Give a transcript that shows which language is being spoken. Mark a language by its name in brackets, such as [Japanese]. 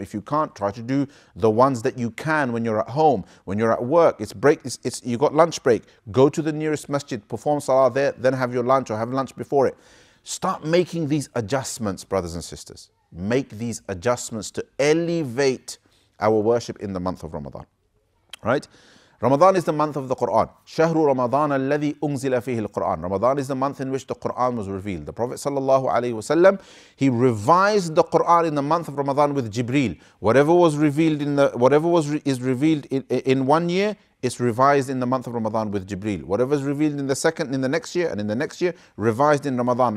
[English] If you can't, try to do the ones that you can when you're at home, when you're at work, it's break, it's you got lunch break, go to the nearest masjid, perform salah there, then have your lunch or have lunch before it. Start making these adjustments, brothers and sisters. Make these adjustments to elevate our worship in the month of Ramadan, right? Ramadan is the month of the Quran. [Arabic] شهر رمضان الذي أنزل فيه القرآن. [English] Ramadan is the month in which the Quran was revealed. The Prophet sallallahu alaihi wasallam, he revised the Quran in the month of Ramadan with Jibril. Whatever was revealed in the whatever was revealed in 1 year, it's revised in the month of Ramadan with Jibril. Whatever is revealed in the second, in the next year, and in the next year, revised in Ramadan.